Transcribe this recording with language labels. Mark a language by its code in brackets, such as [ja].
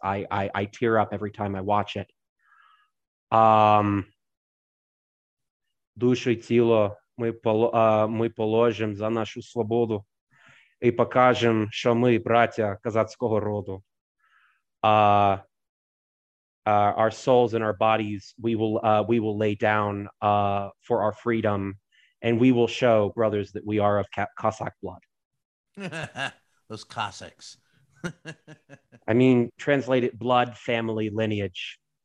[en] I tear up every time I watch it. [uk] Душу і тіло ми положимо за нашу свободу і покажемо, що ми браття козацького роду. [en] Our souls and our bodies, we will lay down for our freedom, and we will show brothers that we are of Cossack blood. Those Cossacks. I mean, translate it, blood, family, lineage.